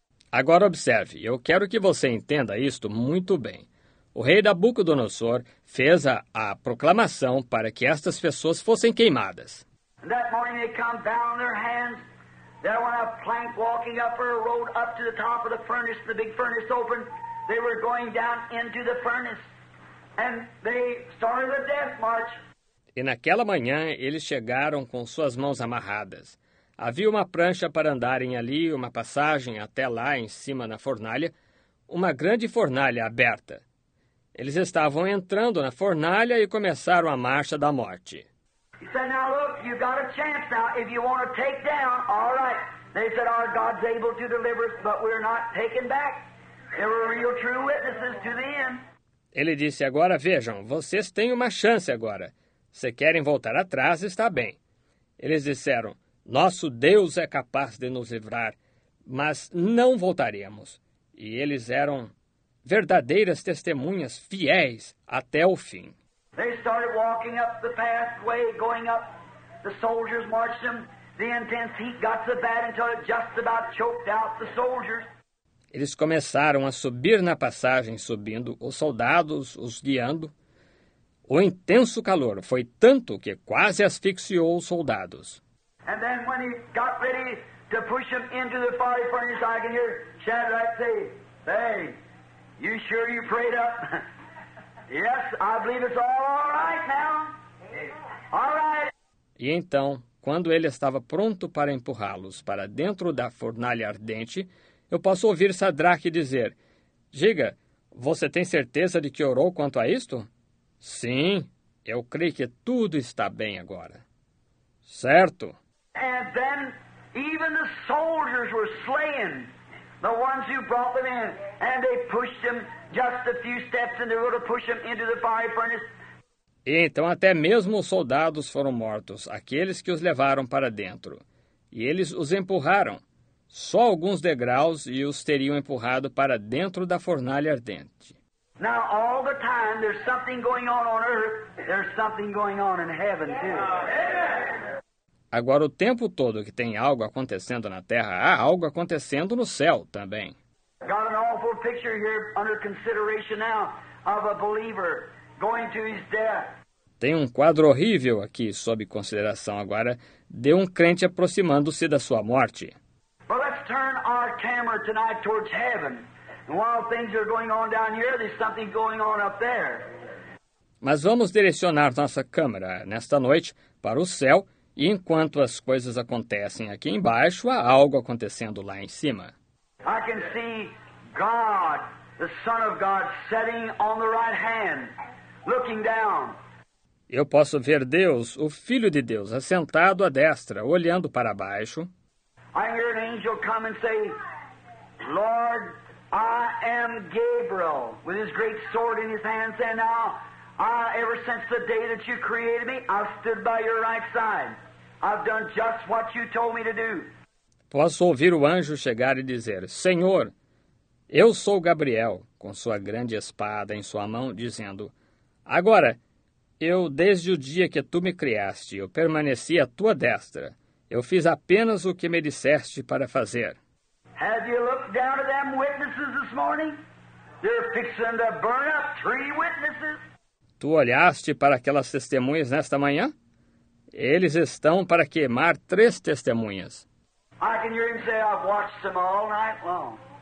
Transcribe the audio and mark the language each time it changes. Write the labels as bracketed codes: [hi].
[pt] Agora observe, eu quero que você entenda isto muito bem. O rei Nabucodonosor fez a proclamação para que estas pessoas fossem queimadas. [en] That morning they come down on their hands. There went a plank walking up her road up to the top of the furnace, the big furnace open. They were going down into the furnace. And they started the death march. [pt] E naquela manhã eles chegaram com suas mãos amarradas. Havia uma prancha para andarem ali, uma passagem até lá em cima na fornalha, uma grande fornalha aberta. Eles estavam entrando na fornalha e começaram a marcha da morte. Ele disse, agora olha, você tem uma chance agora. Se você quiser tomar, tudo bem. Eles disseram, nosso Deus é capaz de nos libertar, mas não estamos tomando de volta. Eles eram [en] real, true witnesses to the end. [pt] Ele disse, agora vejam, vocês têm uma chance agora. Se querem voltar atrás, está bem. Eles disseram, nosso Deus é capaz de nos livrar, mas não voltaremos. E eles eram verdadeiras testemunhas fiéis até o fim. [en] They started walking up the pathway, going up. The soldiers marched them. The intense heat got so bad until it just about choked out the soldiers. [pt] Eles começaram a subir na passagem, subindo, os soldados os guiando. O intenso calor foi tanto que quase asfixiou os soldados. [en] And then when he got ready to push them into the fiery furnace, I can hear Shadrach say, hey, you sure you prayed up? Yes, I believe it's all right now. All right. [pt] E então, quando ele estava pronto para empurrá-los para dentro da fornalha ardente, eu posso ouvir Sadraque dizer, diga, você tem certeza de que orou quanto a isto? Sim, eu creio que tudo está bem agora. Certo. [en] And then even the soldiers were slain, the ones who brought them in, and they pushed them just a few steps and they were to push them into the fire furnace. [pt] E então até mesmo os soldados foram mortos, aqueles que os levaram para dentro. E eles os empurraram. Só alguns degraus e os teriam empurrado para dentro da fornalha ardente. [en] Now all the time there's something going on earth, there's something going on in heaven too. [pt] Agora o tempo todo que tem algo acontecendo na terra, há algo acontecendo no céu também. [en] Got an awful picture here under consideration now of a believer going to his death. [pt] Tem um quadro horrível aqui sob consideração agora de um crente aproximando-se da sua morte. [en] Well, let's turn our camera tonight towards heaven. While things are going on down here, there's something going on up there. [pt] Mas vamos direcionar nossa câmera nesta noite para o céu, e enquanto as coisas acontecem aqui embaixo, há algo acontecendo lá em cima. [en] I can see God, the Son of God, sitting on the right hand, looking down. [pt] Eu posso ver Deus, o Filho de Deus, assentado à destra, olhando para baixo. [en] I hear an angel come and say, Lord, I am Gabriel, with his great sword in his hand, saying, now, ever since the day that you created me, I've stood by your right side. I've done just what you told me to do. [pt] Posso ouvir o anjo chegar e dizer, Senhor, eu sou Gabriel, com sua grande espada em sua mão, dizendo, agora, eu, desde o dia que tu me criaste, eu permaneci à tua destra. Eu fiz apenas o que me disseste para fazer. [en] Have you looked down at them witnesses this morning? They're fixing to burn up three witnesses. [pt] Tu olhaste para aquelas testemunhas nesta manhã? Eles estão para queimar três testemunhas. [en] I can hear him say, I've watched them all night long.